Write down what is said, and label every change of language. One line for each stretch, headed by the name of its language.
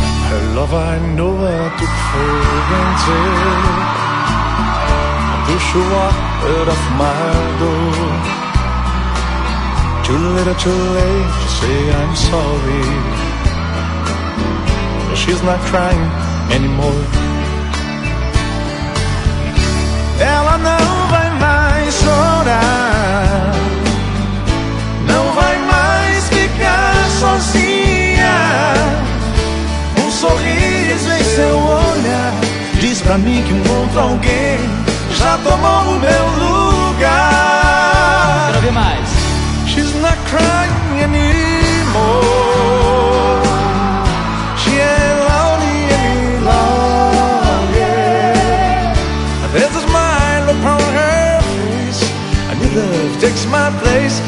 English: Her love I know what it for granted, and push water off my door. Too little too late to say I'm sorry, she's not crying anymore.
Portuguese: Ela não vai mais chorar, não vai mais ficar sozinha. Um sorriso em seu olhar diz pra mim que um outro alguém já tomou o meu lugar. Quero ver mais.
English: She's not crying anymore, she ain't lonely any longer. There's a smile upon her face, and new love takes my place.